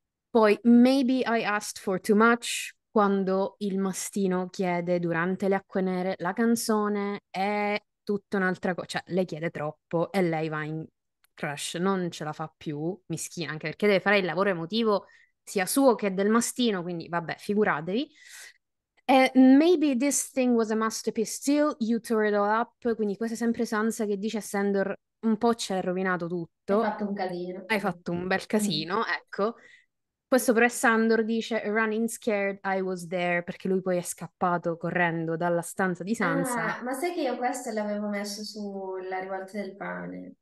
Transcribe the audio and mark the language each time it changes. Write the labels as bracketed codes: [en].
[it] Poi, [en] maybe I asked for too much, [it] quando il mastino chiede durante le acque nere la canzone è tutta un'altra cosa, cioè le chiede troppo e lei va in crash, non ce la fa più, mischina, anche perché deve fare il lavoro emotivo sia suo che del mastino, quindi vabbè, figuratevi. [en] Maybe this thing was a masterpiece till you tore it all up. [it] Quindi questa è sempre Sansa che dice a Sandor un po' ci hai rovinato Hai tutto, fatto un casino. hai fatto un bel casino, ecco. Questo però è Sandor dice [en] running scared I was there, [it] perché lui poi è scappato correndo dalla stanza di Sansa. Ah, ma sai che io questo l'avevo messo sulla rivolta del pane.